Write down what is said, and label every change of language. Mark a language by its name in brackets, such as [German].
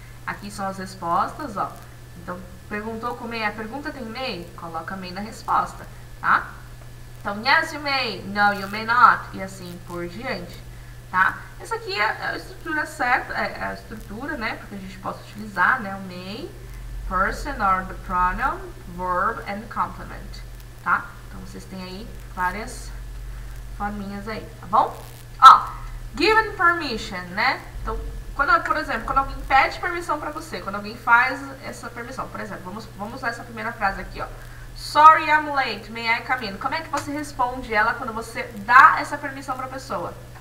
[Portuguese] Aqui são as respostas, ó. Então, perguntou com may, a pergunta tem may? Coloca may na resposta, tá? Então, [English] yes you may, no you may not, [Portuguese] e assim por diante, tá? Essa aqui é a estrutura certa, é a estrutura, né? Porque a gente pode utilizar, né? [English] O may, person or the pronoun, verb and complement, tá? [Portuguese] Então, vocês têm aí várias forminhas aí, tá bom? Ó, given permission, né? Então, por exemplo, quando alguém pede permissão para você, quando alguém faz essa permissão, por exemplo, vamos usar essa primeira frase aqui, ó. [English] Sorry, I'm late. May I come in? [Portuguese] Como é que você responde ela quando você dá essa permissão para a pessoa?